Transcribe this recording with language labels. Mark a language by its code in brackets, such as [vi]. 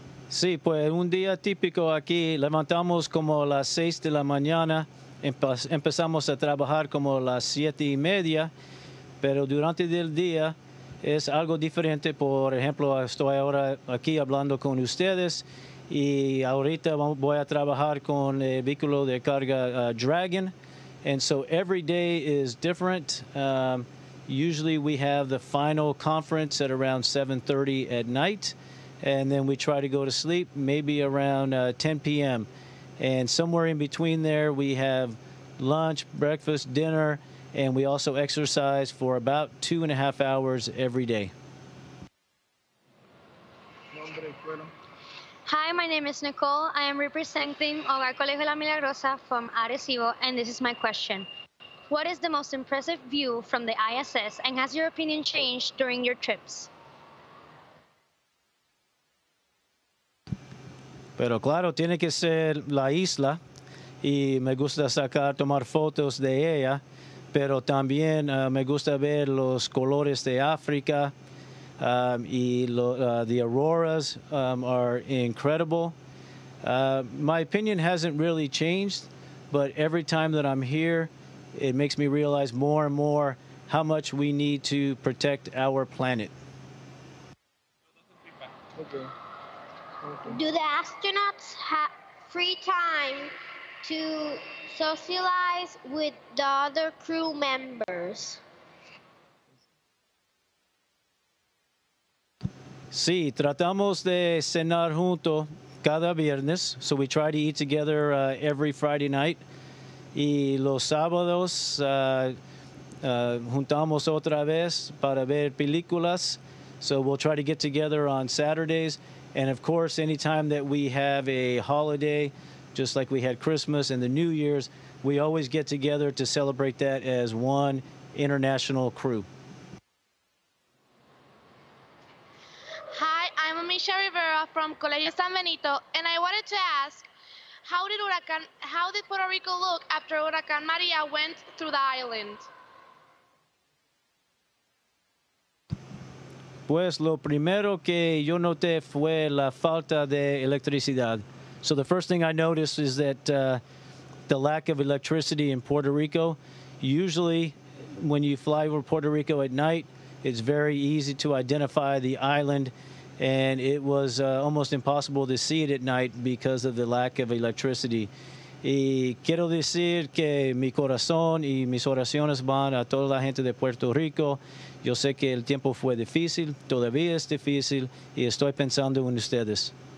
[es] Sí, pues un día típico aquí, levantamos como a las 6 de la mañana, empezamos a trabajar como a las 7:30, pero durante el día es algo diferente. Por ejemplo, estoy ahora aquí hablando con ustedes, y ahorita voy a trabajar con el vehículo de carga Dragon. [en] And so every day is different. Usually we have the final conference at around 7:30 at night, and then we try to go to sleep maybe around 10 p.m. And somewhere in between there, we have lunch, breakfast, dinner, and we also exercise for about 2.5 hours every day. Hi, my name is Nicole. I am representing Hogar Colegio La Milagrosa from Arecibo, and this is my question. What is the most impressive view from the ISS, and has your opinion changed during your trips? [es] Pero claro, tiene que ser la isla, y me gusta sacar, tomar fotos de ella, pero también me gusta ver los colores de África. [en] The auroras are incredible. My opinion hasn't really changed, but every time that I'm here, it makes me realize more and more how much we need to protect our planet. Do the astronauts have free time to socialize with the other crew members? [es] Sí, tratamos de cenar junto cada viernes. [en] So we try to eat together every Friday night. [es] Y los sábados juntamos otra vez para ver películas. [en] So we'll try to get together on Saturdays. And of course, anytime that we have a holiday, just like we had Christmas and the New Year's. We always get together to celebrate that as one international crew. Hi, I'm Misha Rivera from Colegio San Benito, and I wanted to ask, how did Puerto Rico look after Huracan Maria went through the island? [es] Pues lo primero que yo noté fue la falta de electricidad. [en] So the first thing I noticed is that the lack of electricity in Puerto Rico. Usually when you fly over Puerto Rico at night, it's very easy to identify the island, and it was almost impossible to see it at night because of the lack of electricity. [es] Y quiero decir que mi corazón y mis oraciones van a toda la gente de Puerto Rico. Yo sé que el tiempo fue difícil, todavía es difícil, y estoy pensando en ustedes.